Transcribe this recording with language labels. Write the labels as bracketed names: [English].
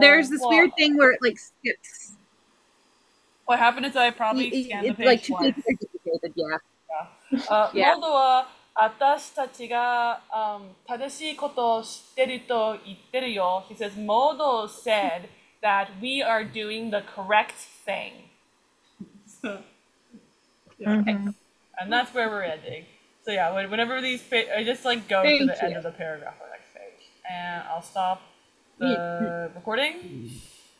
[English] There's this weird thing where it like skips. What happened is I probably scanned the page. It's like two pages duplicated, yeah. Yeah. Moldova. [Japanese] 私たちが正しいことをしてると言ってるよ。 [English] He says, Modo said that we are doing the correct thing. Mm-hmm. And that's where we're ending. So yeah, whenever these page, I just like go Thank to the you. End of the paragraph or next page. And I'll stop the recording.